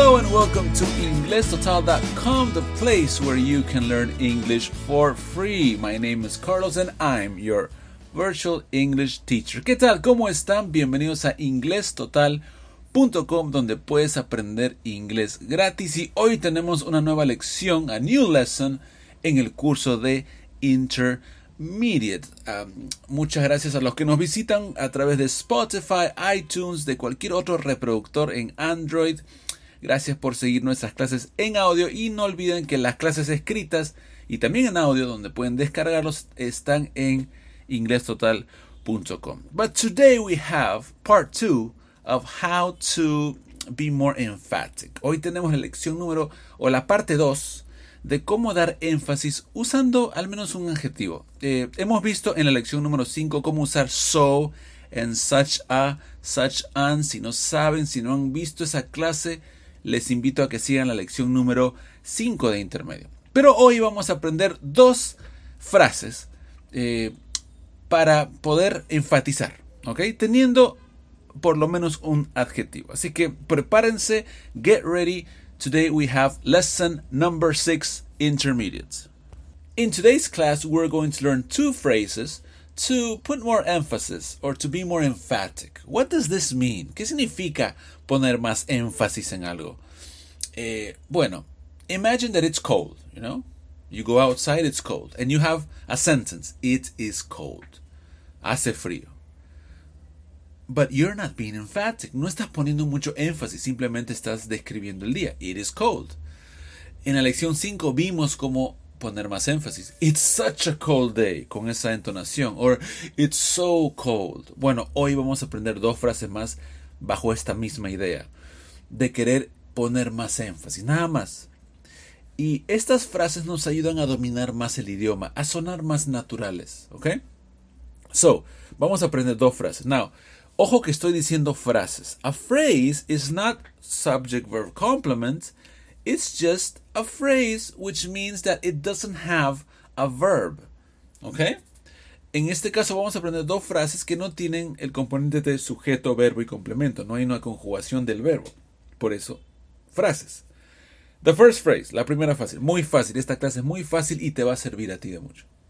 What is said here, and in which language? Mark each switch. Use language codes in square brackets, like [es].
[en] welcome to inglestotal.com, the place where you can learn English for free. My name is Carlos and I'm your virtual English teacher. [es] ¿Qué tal? ¿Cómo están? Bienvenidos a inglestotal.com, donde puedes aprender inglés gratis. Y hoy tenemos una nueva lección, [en] a new lesson, [es] en el curso de Intermediate. Muchas gracias a los que nos visitan a través de Spotify, iTunes, de cualquier otro reproductor en Android. Gracias por seguir nuestras clases en audio y no olviden que las clases escritas y también en audio, donde pueden descargarlos, están en inglestotal.com. [en] But today we have part 2 of how to be more emphatic. [es] Hoy tenemos la lección número, o la parte 2, de cómo dar énfasis usando al menos un adjetivo. Hemos visto en la lección número 5 cómo usar so and such a, such an. Si no saben, si no han visto esa clase, les invito a que sigan la lección número 5 de intermedio. Pero hoy vamos a aprender dos frases para poder enfatizar, ¿ok? Teniendo por lo menos un adjetivo. Así que prepárense, [en] get ready. Today we have lesson number 6, intermediate. In today's class, we're going to learn two phrases to put more emphasis or to be more emphatic. What does this mean? [es] ¿Qué significa poner más énfasis en algo? [en] Bueno, imagine that it's cold, you know? You go outside, it's cold. And you have a sentence, it is cold. [es] Hace frío. [en] But you're not being emphatic. [es] No estás poniendo mucho énfasis, simplemente estás describiendo el día. [en] It is cold. [es] En la lección 5 vimos cómo poner más énfasis. [en] It's such a cold day, [es] con esa entonación. [en] Or, it's so cold. [es] Bueno, hoy vamos a aprender dos frases más bajo esta misma idea, de querer poner más énfasis, nada más. Y estas frases nos ayudan a dominar más el idioma, a sonar más naturales, ¿ok? So, vamos a aprender dos frases. Now, ojo que estoy diciendo frases. [en] A phrase is not subject verb complement. It's just a phrase, which means that it doesn't have a verb. ¿Ok? [es] En este caso vamos a aprender dos frases que no tienen el componente de sujeto, verbo y complemento. No hay una conjugación del verbo. Por eso, frases. [en] The first phrase, [es] la primera frase. Muy fácil. Esta clase es muy fácil y te va a servir a ti de mucho.